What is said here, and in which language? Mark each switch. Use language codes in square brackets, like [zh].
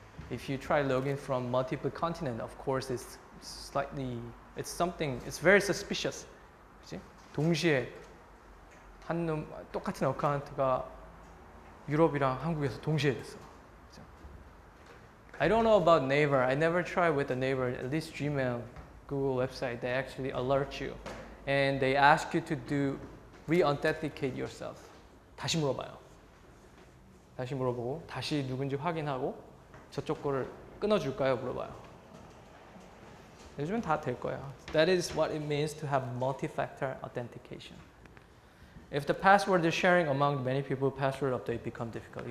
[en] If you try login from multiple continent, of course, it's slightly, it's something, it's very suspicious. [ko] 그치? 동시에 한 놈, 똑같은 어카운트가 유럽이랑 한국에서 동시에 됐어. 그치? [en] I don't know about neighbor. I never try with a neighbor. At least Gmail, Google website, they actually alert you. And they ask you to do re-authenticate yourself. [ko] 다시 물어봐요. 다시 물어보고 다시 누군지 확인하고 저쪽 거를 끊어줄까요? 물어봐요. 요즘은 다 될 거예요. [en] That is what it means to have multi-factor authentication. If the password is sharing among many people, password update become difficult.